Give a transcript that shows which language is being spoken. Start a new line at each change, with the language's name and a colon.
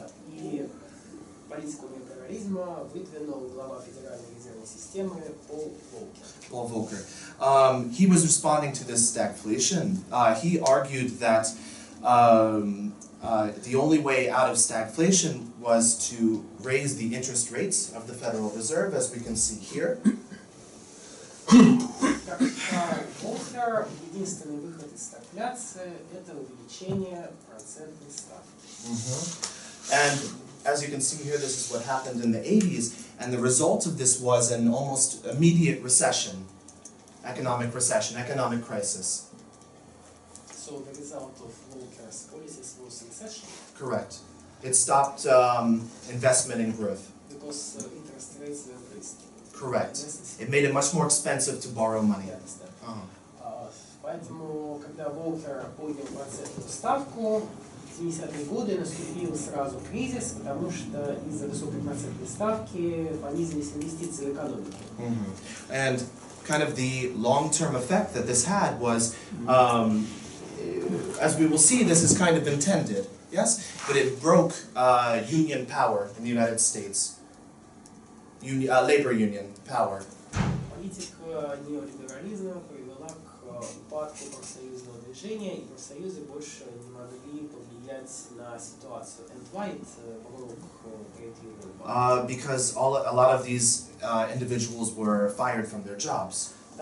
Russian: И политику неолиберализма выдвинул глава Федеральной резервной системы Пол Волкер.
English: Paul Volcker. He was responding to this stagflation. He argued that the only way out of stagflation was to raise the interest rates of the Federal Reserve, as we can see here.
Russian: Volcker, единственный выход из стагфляции – это увеличение процентной ставки. Mm-hmm.
English: And as you can see here, this is what happened in the 80s, and the result of this was an almost immediate recession. Economic recession, economic crisis. So the result of Volcker's policies was recession? Correct. It stopped investment in growth. Because interest rates were raised. Correct. It made it much more expensive to borrow money.
Russian: Yes, поэтому, когда Волкер поднял процентную ставку, в 70-е годы наступил сразу кризис, потому что из-за высокой процентной ставки понизились инвестиции в экономику.
English: And kind of the long-term effect that this had was, as we will see, this is kind of intended, yes? But it broke union power in the United States, labor union power.
Russian: Политика неолиберализма привела к упадку профсоюзного движения, и профсоюзы больше не могли повлиять на ситуацию.
English: And why it broke great union power? Because a lot of these individuals were fired from their jobs.